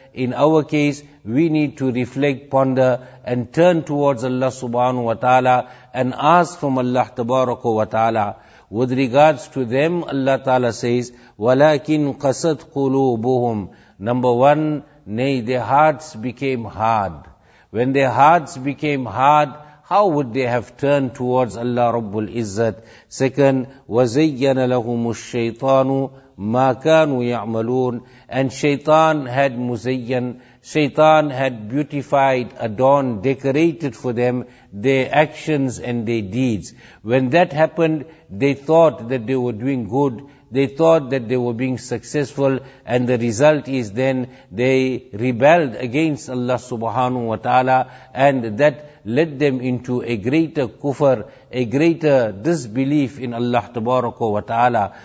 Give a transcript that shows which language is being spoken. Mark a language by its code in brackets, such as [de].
[en] In our case, we need to reflect, ponder, and turn towards Allah subhanahu wa ta'ala and ask from Allah tabarakah wa ta'ala. With regards to them, Allah Ta'ala says, [ar] وَلَكِنْ قَسَتْ قُلُوبُهُمْ. [en] Number one, nay, their hearts became hard. When their hearts became hard, How would they have turned towards Allah Rabbul Izzat? Second, [ar] وَزَيَّنَ لَهُمُ الشَّيْطَانُ مَا كَانُوا يَعْمَلُونَ. [en] And Shaitan had muzayyan, Shaitan had beautified, adorned, decorated for them their actions and their deeds. When that happened, they thought that they were doing good. They thought that they were being successful, and the result is then they rebelled against Allah subhanahu wa ta'ala, and that led them into a greater kufr, a greater disbelief in Allah tabaraka wa ta'ala.